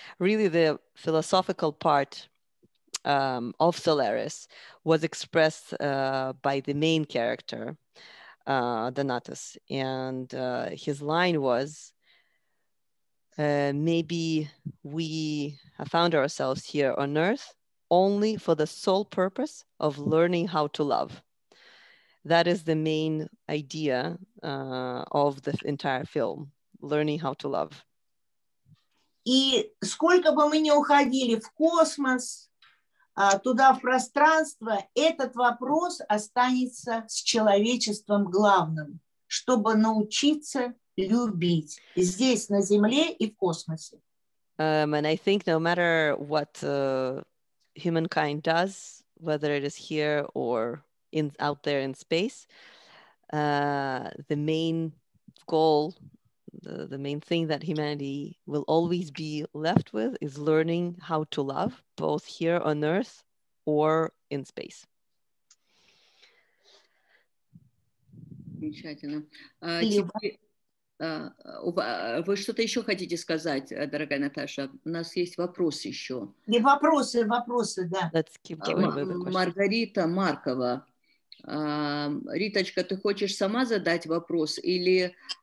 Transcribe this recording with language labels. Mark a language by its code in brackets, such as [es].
[en] Really, the philosophical part of Solaris was expressed by the main character, Donatus, and his line was, maybe we have found ourselves here on Earth only for the sole purpose of learning how to love. That is the main idea of the entire film, learning how to love. [ru] И сколько бы мы ни уходили в космос, туда, в пространство, этот вопрос останется с человечеством главным, чтобы научиться любить здесь, на Земле и в космосе. [en] And I think no matter what humankind does, whether it is here or out there in space, the main goal, the main thing that humanity will always be left with is learning how to love, both here on Earth or in space. [ru] Замечательно. Вы что-то еще хотите сказать, дорогая Наташа? У нас есть вопрос еще. Не вопросы, вопросы, да. [en] Let's keep going with the question. [ru] Маргарита Маркова. Риточка, ты хочешь сама задать вопрос или...